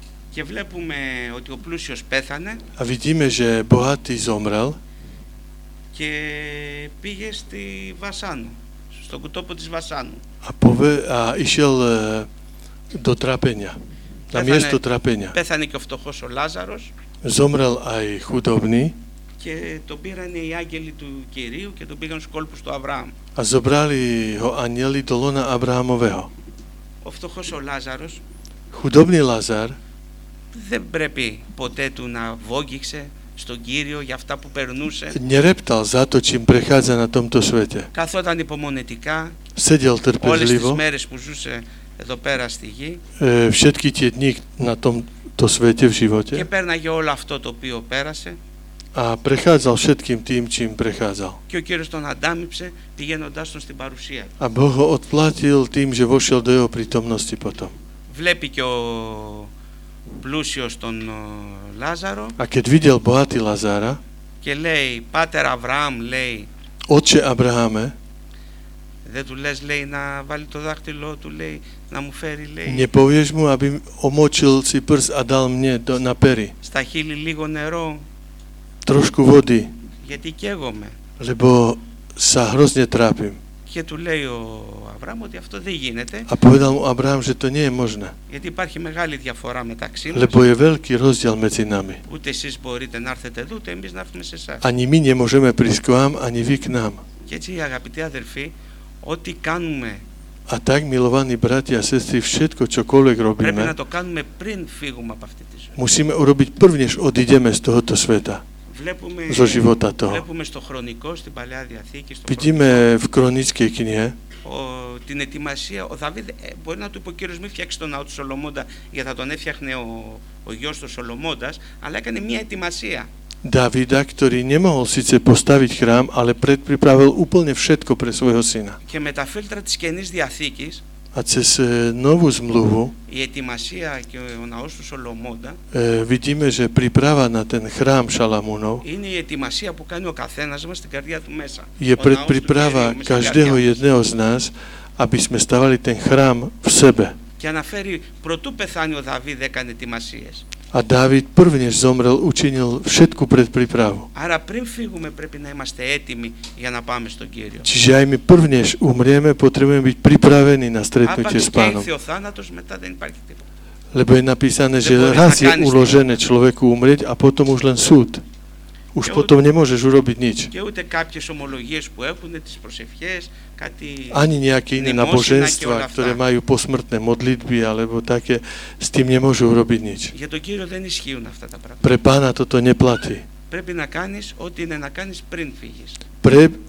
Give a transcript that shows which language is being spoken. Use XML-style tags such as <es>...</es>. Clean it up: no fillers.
<el>Και βλέπουμε ότι ο πλούσιος πέθανε.</el> <sk>A vidíme, že bohatý zomrel.</sk> <el>Και πήγε στη Βασάνου, στον κουτόπο της Βασάνου.</el> <sk>A išiel do Τραπένια, na miesto Τραπένια.</sk> <el>Πέθανε και ο φτωχός ο Λάζαρος.</el> <sk>Zomrel aj chudobný.</sk> <el>Και τον πήραν οι άγγελοι του Κυρίου και τον πήγαν στους κόλπους του Αβραάμ.</el> <sk>A zobrali ho anieli do lona Abrahamového.</sk> <el>Ο φτωχός ο Λάζαρος.</el> <sk>Chudobný Lazar.</sk> <el>Δεν πρέπει ποτέ του να βόγγιξε στον Κύριο για αυτά που περνούσε.</el> <sk>Nereptal za to, čím prechádza na tomto svete.</sk> <el>Καθόταν υπομονετικά.</el> <sk>Sedel trpezlivo.</sk> <el>Όλες τις μέρες που ζούσε εδώ πέρα στη γη.</el> <sk>Všetky tie dni na tomto svete v živote.</sk> <el>Και πέρναγε όλο αυτό το οποίο πέρασε.</el> <sk>A prechádzal všetkým tým, čím prechádzal.</sk> <el>Και ο Κύριος τον αντάμυψε, πηγαίνοντάς τον στην παρουσία.</el> <sk>A Boh ho odplatil tým, že vošiel do jeho prítomnosti potom.</sk> <el>Βλέπει και ο πλούσιος τον Λάζαρο.</el> <sk>A keď videl bohatý Lazára.</sk> <el>Και λέει, Πάτερ Αβραάμ, λέει.</el> <sk>Otče Abrahame.</sk> <el>Δεν του λες, λέει, να βάλει το δάχτυλο του, λέει, να μου φέρει, λέει.</el> <sk>Nepovieš mu, aby omočil si prs a dal mne do, na pery.</sk> <el>Στα χείλη λίγο νερό.</el> <sk>Trošku vody.</sk> <el>Γιατί καίγομαι.</el> <sk>Lebo sa hrozne trápim.</sk> <el>Και του λέει ο Αβραάμ ότι αυτό δεν γίνεται.</el> <sk>A povedal mu Abraham, že to nie je možné.</sk> <el>Γιατί υπάρχει μεγάλη διαφορά μεταξύ μας.</el> <sk>Lebo je veľký rozdiel medzi nami.</sk> <el>Ούτε εσείς μπορείτε να έρθετε εδώ, ούτε εμείς να έρθουμε σε εσάς.</el> <sk>Ani my nemôžeme prísť k vám, ani vy k nám.</sk> <el>Και έτσι, αγαπητοί αδερφοί, ό,τι κάνουμε.</el> <sk>A tak, milovaní bratia a sestry, všetko, čokoľvek robíme.</sk> <el>Πρέπει να το κάνουμε πριν φύγουμε από αυτή τη ζωή.</el> <sk>Musíme urobiť prv, než odídeme z tohoto sveta. Zo života toho.</sk> <el>Βλέπουμε στο χρονικό, στην Παλαιά Διαθήκη, στο Βιτήμε χρονικό. Κρονίτσκη κοινή. Την ετοιμασία, ο Δαβίδ μπορεί να του είπε ο κύριος μη φτιάξει τον ναό του Σολομώντα για θα τον έφτιαχνε ο γιος του Σολομώντας, αλλά έκανε μια ετοιμασία.</el> <sk>Davida, ktorý nemohol síce postaviť chrám, ale predpripravil úplne všetko pre svojho syna.</sk> <el>Και με τα φίλτρα της Καινής Διαθήκης,</el> <sk>a cez novú zmluvu</sk> <el>η ετοιμασία και ο ναός του Σολομώντα</el> <sk>vidíme, že príprava na ten chrám Šalamúnov</sk> <el>είναι η ετοιμασία που κάνει ο καθένας μας στην καρδιά του μέσα.</el> <sk>Je predpríprava každého jedného z nás, aby sme stavali ten chrám v sebe.</sk> <el>Και αναφέρει, πρωτού πεθάνει ο Δαβίδ έκανε ετοιμασίες.</el> <sk>A Dávid prv, než zomrel, učinil všetku predprípravu.</sk> <el>Άρα πριν φύγουμε πρέπει να είμαστε έτοιμοι για να πάμε στον Κύριο.</el> <sk>Čiže aj my prv, než umrieme, potrebujeme byť pripravení na stretnutie s Pánom.</sk> <el>Άπαξ και ήρθε ο θάνατος, μετά δεν υπάρχει τίποτα.</el> <sk>Lebo je napísané, že raz je uložené človeku umrieť a potom už len súd. Už potom nemôžeš urobiť nič.</sk> <el>Και ούτε κάποιες ομολογίες που έχουν, τις προσευχές, κάτι...</el> <sk>Ani nejaké iné naboženstva, ktoré majú posmrtné modlitby, alebo také, s tým nemôžu urobiť nič.</sk> <el>Για τον Κύριο δεν ισχύουν αυτά τα πράγματα.</el> <sk>Pre Pána toto neplatí.</sk> <el>Πρέπει να κάνεις ό,τι είναι να κάνεις πριν φύγεις.</el>